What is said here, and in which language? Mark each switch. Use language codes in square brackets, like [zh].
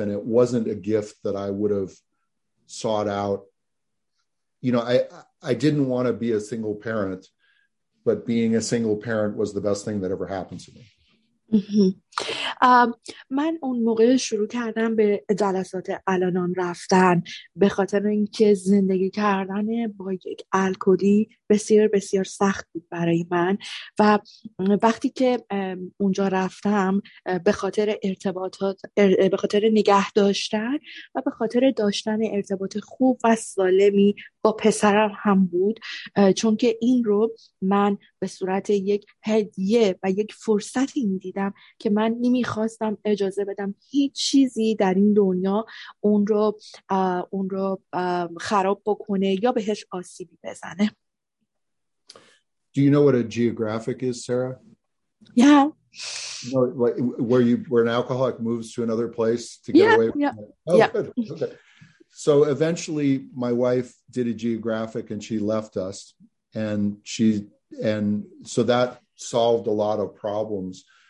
[en] And it wasn't a gift that I would have sought out. You know, I didn't want to be a single parent, but being a single parent was the best thing that ever happened to me. [fa] من اون موقع شروع کردم به جلسات الانان رفتن به خاطر اینکه زندگی کردن با یک الکلی بسیار بسیار سخت بود برای من و وقتی که اونجا رفتم به خاطر ارتباطات به خاطر نگه داشتن و به خاطر داشتن ارتباط خوب و سالمی با پسرم هم بود چون که این رو من به صورت یک هدیه و یک فرصتی میدیدم که من نمیخواستم اجازه بدم هیچ چیزی در این دنیا اون رو خراب بکنه یا بهش آسیبی بزنه. [en] Do you know what a geographic is, Sarah? Yeah. No, like where an alcoholic moves to another place to get away from it. Oh, yeah. Good. Okay. So eventually my wife did a geographic and she left us and so that solved a lot of problems.